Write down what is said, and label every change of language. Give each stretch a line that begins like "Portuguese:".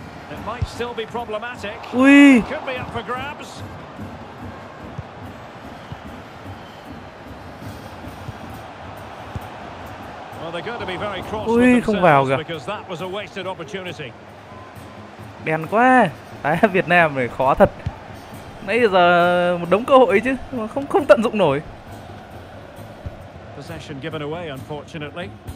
English: It might still be problematic. Ui. Could be up for grabs. Well, they're going to be very cross.
Vietnamese: Ui, không vào kìa.
English: Because that was a wasted opportunity.
Vietnamese: Đen quá. Đấy, Việt Nam này khó thật. Nãy giờ một đống cơ hội chứ mà không tận dụng nổi.
English: Possession given away unfortunately.